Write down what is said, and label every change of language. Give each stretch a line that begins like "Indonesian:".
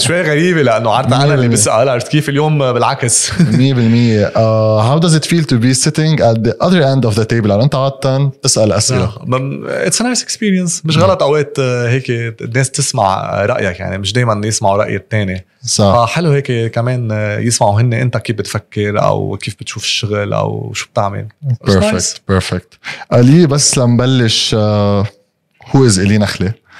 Arabic: شوي غريبة لأنه عارف أنا اللي بسأل, عارف كيف اليوم بالعكس. 100%.
English: How does it feel to be sitting at the other end of the table?
Arabic: أنت عادة تسأل أسئلة.
English: It's a nice experience.
Arabic: مش غلط أوقات هيك الناس تسمع رأيك, يعني مش دايما يسمعوا رأي التاني. حلو هيك كمان يسمعوا هن انت كيف بتفكر او كيف بتشوف الشغل او شو بتعمل. بيرفكت بيرفكت. الي بس لنبلش, هو از الي نخله.